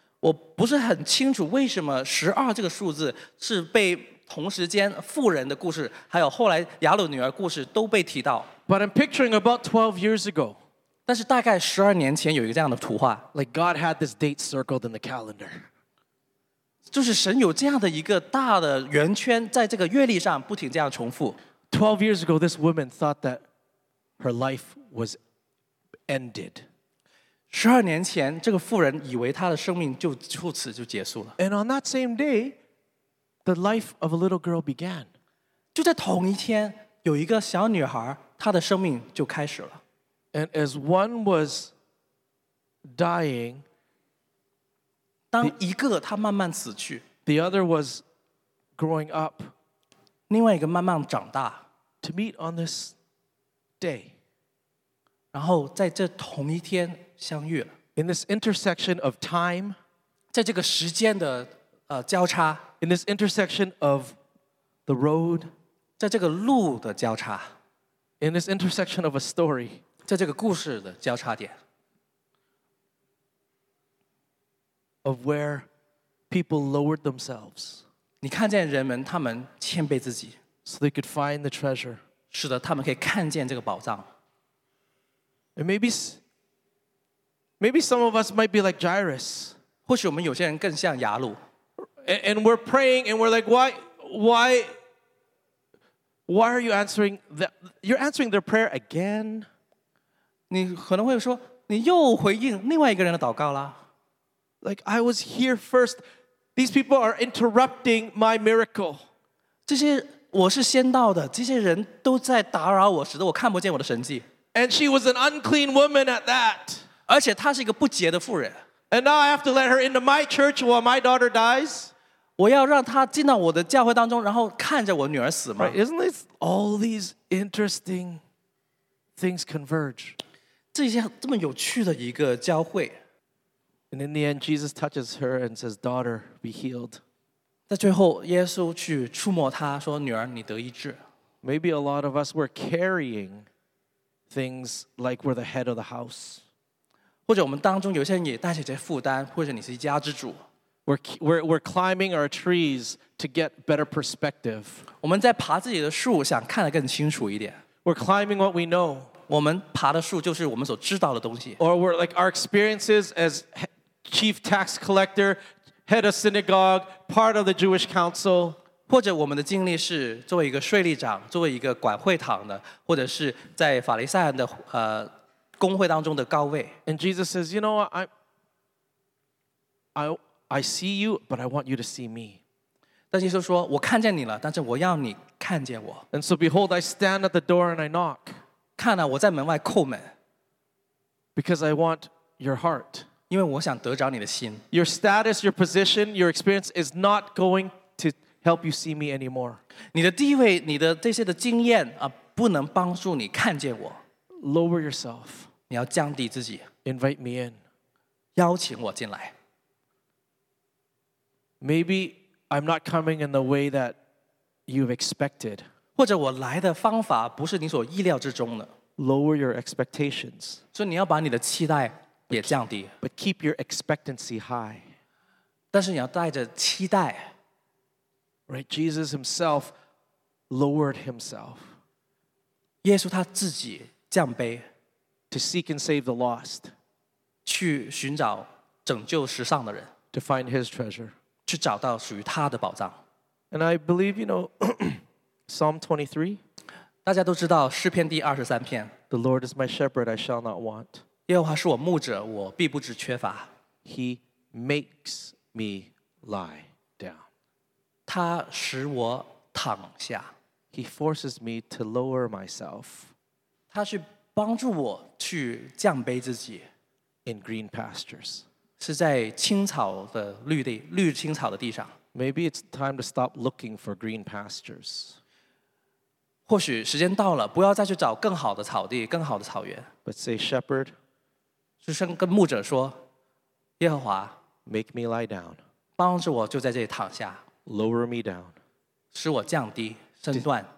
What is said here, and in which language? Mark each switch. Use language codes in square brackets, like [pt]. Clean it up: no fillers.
[zh] 我不是很清楚为什么十二这个数字是被。同时间妇人的故事还有后来亚鲁女儿故事都被提到 [en] But I'm picturing about 12 years ago [zh] 但是大概12年前有一个这样的图画 [en] Like God had this date circled in the calendar [zh] 就是神有这样的一个大的圆圈在这个月历上不停这样重复 [en] 12 years ago this woman thought that her life was ended [zh] 12年前这个妇人以为她的生命就就此就结束了 [en] And on that same dayThe life of a little girl began. [zh] 就在同一天，有一个小女孩，她的生命就开始了。 [en] And as one was dying, [zh] 当一个她慢慢死去 [en] the other was growing up. [zh] 另外一个慢慢长大 [en] To meet on this day. [zh] 然后在这同一天相遇了。 [en] In this intersection of time, [zh] 在这个时间的交叉。 [en] In this intersection of the road, [zh] 在这个路的交叉 [en] In this intersection of a story, [zh] 在这个故事的交叉点 [en] Of where people lowered themselves, [zh] 你看见人们他们谦卑自己 [en] So they could find the treasure, [zh] 使得他们可以看见这个宝藏 [en] And maybe some of us might be like Jairus, [zh] 或许我们有些人更像亚鲁 [en] And we're praying, and we're like, why are you answering that? You're answering their prayer again. [zh] 你可能会说，你又回应另外一个人的祷告了。 [en] Like I was here first. These people are interrupting my miracle. [zh] 这些我是先到的，这些人都在打扰我，使得我看不见我的神迹。 [en] And she was an unclean woman at that. [zh] 而且她是一个不洁的妇人。 [en] And now I have to let her into my church while my daughter dies. [zh] 我要让她进到我的教会当中，然后看着我女儿死吗 [en] Right, isn't this all these interesting things converge? [zh] 这些这么有趣的一个教会。 [en] And in the end, Jesus touches her and says, "Daughter, be healed." [zh] 在最后，耶稣去触摸她，说：“女儿，你得医治。” [en] Maybe a lot of us were carrying things like we're the head of the house. [zh] 或者我们当中有些人也带着这些负担，或者你是一家之主。 [en] We're climbing our trees to get better perspective. [zh] 我们在爬自己的树，想看得更清楚一点。 [en] We're climbing what we know. [zh] 我们爬的树就是我们所知道的东西。 [en] Or we're like our experiences as chief tax collector, head of synagogue, part of the Jewish council. [zh] 或者我们的经历是作为一个税吏长，作为一个管会堂的，或者是在法利赛人的公会当中的高位。 [en] And Jesus says, you know what, I see you, but I want you to see me. [zh] 但耶稣说，我看见你了，但是我要你看见我。 [en] And so behold, I stand at the door and I knock. [zh] 看啊，我在门外叩门。 [en] Because I want your heart. [zh] 因为我想得着你的心。 [en] Your status, your position, your experience is not going to help you see me anymore. [zh] 你的地位，你的这些的经验啊，不能帮助你看见我。 [en] Lower yourself. [zh] 你要降低自己。 [en] Invite me in. [zh] 邀请我进来。 [en] Maybe I'm not coming in the way that you've expected. [zh] 或者我来的方法不是你所意料之中的。 [en] Lower your expectations. [zh] 所以你要把你的期待也降低。 [en] But keep your expectancy high. [zh] 但是你要带着期待。 [en] Right, Jesus himself lowered himself. [zh] 耶稣他自己降卑。 [en] To seek and save the lost. [zh] 去寻找拯救失丧的人。 [en] To find his treasure. [zh] 去找到属于他的宝藏。 [en] And I believe, you know, Psalm 23. [zh] 大家都知道诗篇第二十三篇。 [en] The Lord is my shepherd, I shall not want. [zh] 耶和华是我牧者，我必不致缺乏。 [en] He makes me lie down. [zh] 他使我躺下。 [en] He forces me to lower myself. [zh] 他去帮助我去降卑自己。 [en] In green pastures. [zh] 是在青草的绿地，绿青草的地上。 [en] Maybe it's time to stop looking for green pastures. [zh] 或许时间到了，不要再去找更好的草地，更好的草原。 [en] But say, Shepherd, [zh] 就像跟牧者说，耶和华 [en] ，Make me lie down. [zh] 帮助我就在这里躺下。 [en] Lower me down. [zh] 使我降低身段。